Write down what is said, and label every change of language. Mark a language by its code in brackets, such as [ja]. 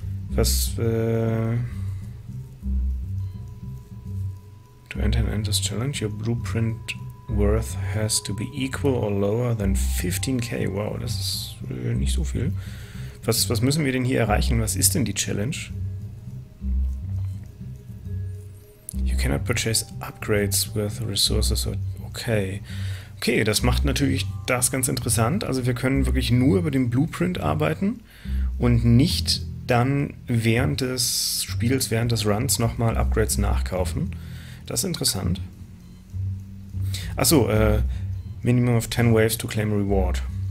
[en] Was, to enter an endless challenge, your blueprint worth has to be equal or lower than 15k. [de] Wow, das ist nicht so viel. Was müssen wir denn hier erreichen? Was ist denn die Challenge? [en] You cannot purchase upgrades with resources. Okay. [de] Okay, das macht natürlich das ganz interessant. Also wir können wirklich nur über den Blueprint arbeiten und nicht dann während des Spiels, während des Runs nochmal Upgrades nachkaufen. Das ist interessant. [en] Achso, Minimum of 10 Waves to claim reward.